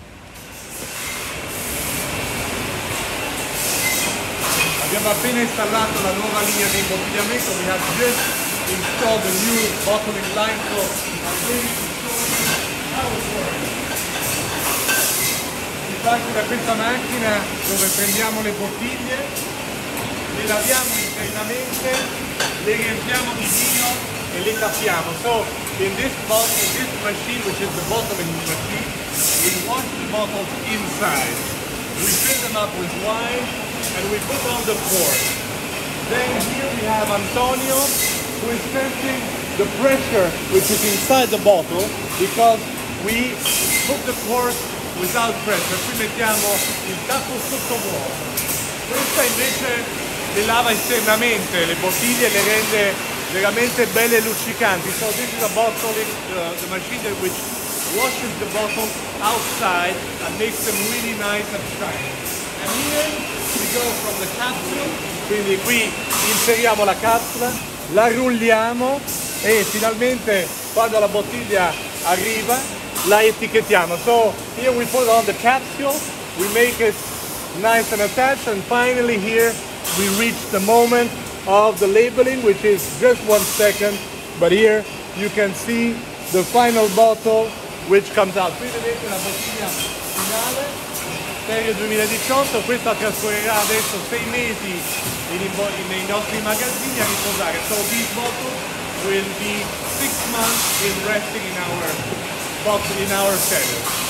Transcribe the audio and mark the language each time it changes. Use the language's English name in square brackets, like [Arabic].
[Italian] Abbiamo appena installato la nuova linea di imbottigliamento, [English] we have just installed the new bottling line, so I'm ready to show you how it works. [Italian] Si parte da questa macchina dove prendiamo le bottiglie, le laviamo internamente, le riempiamo di vino e le tappiamo. [English] So, in this bottle, this machine, which is the bottling machine, we wash the bottles inside. We fill them up with wine and we put on the cork. Then here we have Antonio, who is sensing the pressure which is inside the bottle because we put the cork without pressure. [Italian] Qui mettiamo il tappo sotto vuoto. Questa invece le lava esternamente le bottiglie e le rende veramente belle e luccicanti. [English] So this is a bottling, the machine that which washes the bottles outside and makes them really nice and shiny. And here we go from the capsule. [Italian] Quindi qui inseriamo la capsula, la rulliamo e finalmente quando la bottiglia arriva la etichettiamo. [English] So here we put on the capsule, we make it nice and attached, and finally here we reach the moment of the labeling, which is just 1 second, but here you can see the final bottle which comes out. [Italian] Qui vedete la bottiglia finale, Terre 2018, questa trascorrerà adesso 6 mesi nei nostri magazzini a riposare. [English] So this bottle will be 6 months in resting in our bottle, in our cellar.